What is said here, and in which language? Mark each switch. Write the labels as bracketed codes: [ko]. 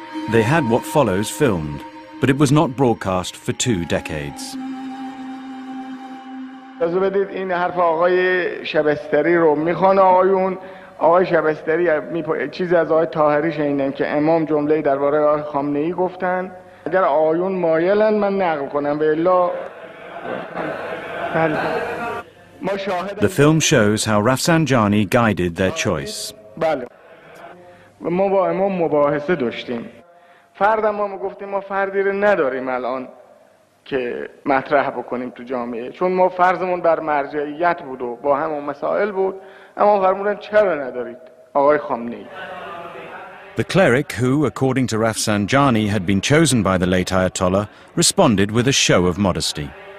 [en] They had what follows filmed, but it was not broadcast for two decades. [fa] بذار بدید این حرف آقای شبستری رو میخوان آقایون. آقای شبستری چیزی از آقای طاهری شنیدن که امام جمله درباره آقای خامنه ای گفتن. اگر آقایون مایلن من نقل کنم و الا [en] The film shows how Rafsanjani guided their choice. The cleric, who, according to Rafsanjani, had been chosen by the late Ayatollah, responded with a show of modesty.